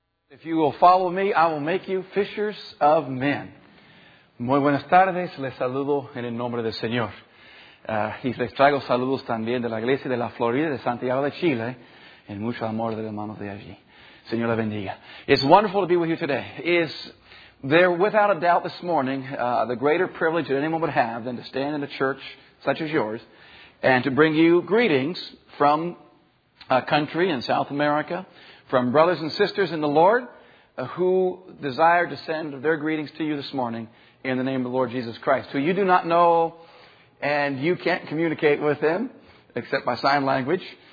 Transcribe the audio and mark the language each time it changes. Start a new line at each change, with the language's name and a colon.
English: If you will follow me, I will make you fishers of men.
Spanish: Muy buenas tardes, les saludo en el nombre del Señor. Y les traigo saludos también de la iglesia de la Florida, de Santiago de Chile, en mucho amor de los hermanos de allí. Señor, la bendiga.
English: It's wonderful to be with you today. Is there, without a doubt, this morning, the greater privilege that anyone would have than to stand in a church such as yours and to bring you greetings from a country in South America, from brothers and sisters in the Lord who desire to send their greetings to you this morning in the name of the Lord Jesus Christ, who you do not know and you can't communicate with them except by sign language.